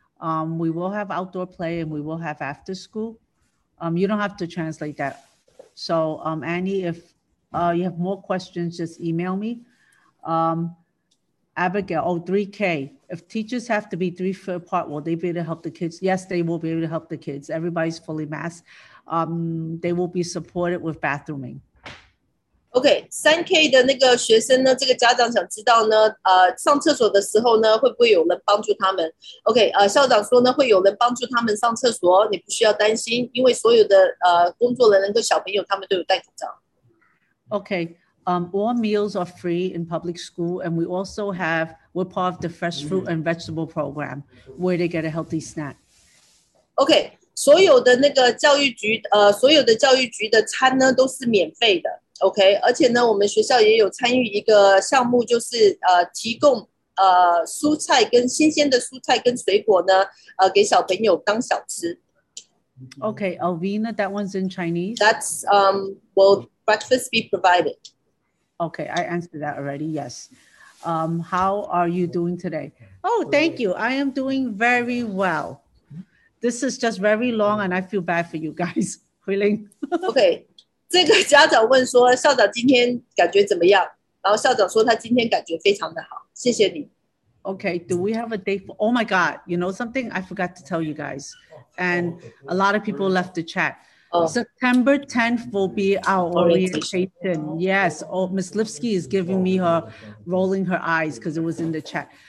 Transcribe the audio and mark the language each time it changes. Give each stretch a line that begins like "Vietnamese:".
English: We will have outdoor play and we will have after school. You don't have to translate that. So, Annie, if you have more questions, just email me. Abigail, oh, 3K. If teachers have to be 3 feet apart, will they be able to help the kids? Yes, they will be able to help the kids. Everybody's fully masked. They will be supported with bathrooming.
Chinese: Okay, 3K 的那个学生呢，这个家长想知道呢，上厕所的时候呢，会不会有人帮助他们 ？Okay, 校长说呢，会有人帮助他们上厕所，你不需要担心，因为所有的工作人员跟小朋友他们都有戴口罩。
English: Okay. All meals are free in public school, and we also have, we're part of the fresh fruit and vegetable program, where they get a healthy snack.
Chinese: Okay, 所有的那个教育局，所有的教育局的餐呢，都是免费的。 Okay, 而且呢，我们学校也有参与一个项目，就是提供蔬菜跟新鲜的蔬菜跟水果呢，给小朋友当小吃。
English: Okay, Alvina, that one's in Chinese. That's, will breakfast be provided? Okay, I answered that already, yes. How are you doing today? Oh, thank you. I am doing very well. This is just very long, and I feel bad for you guys.
Chinese: 回铃。 OK， 这个家长问说校长今天感觉怎么样，然后校长说他今天感觉非常的好，谢谢你。
English: OK, do we have a day for, oh my God, you know something? I forgot to tell you guys. And a lot of people left the chat. September 10th will be our orientation. Yes, oh, Ms. Lipsky is giving me her, rolling her eyes because it was in the chat.